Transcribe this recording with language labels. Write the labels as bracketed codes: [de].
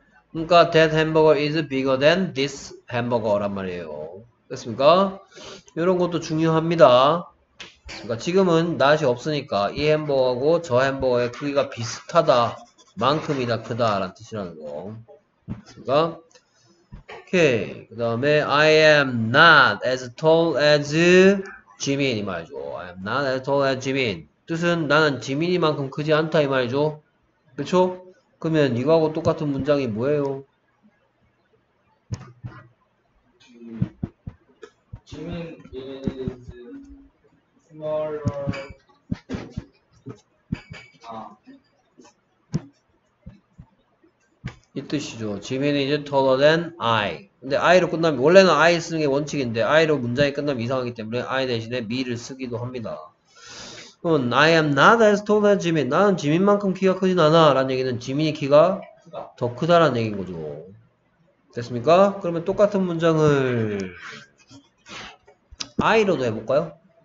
[ko] 그러니까 [en] that hamburger is bigger than this hamburger란 말이에요. [ko] 됐습니까? 이런 것도 중요합니다. 그러니까 지금은 not이 없으니까 이 햄버거하고 저 햄버거의 크기가 비슷하다 만큼이나 크다라는 뜻이라는 거. 됐습니까? 오케이. 그 다음에 [en] I am not as tall as Jimin [ko] 이 말이죠. [en] I am not as tall as Jimin. [ko] 뜻은 나는 지민이만큼 크지 않다 이 말이죠. 그쵸? 그러면 이거하고 똑같은 문장이 뭐예요? [en] 지민 is smaller. [ko] 이 뜻이죠. 지민이 이제 [en] taller than I. [ko] 근데 I로 끝나면 원래는 I 쓰는 게 원칙인데 I로 문장이 끝나면 이상하기 때문에 I 대신에 me를 쓰기도 합니다. [en] 그럼 I am not as tall as Jimin. [ko] 나는 지민만큼 키가 크진 않아. 라는 얘기는 지민이 키가 더 크다라는 얘기인 거죠. 됐습니까? 그러면 똑같은 문장을 I로도 해볼까요?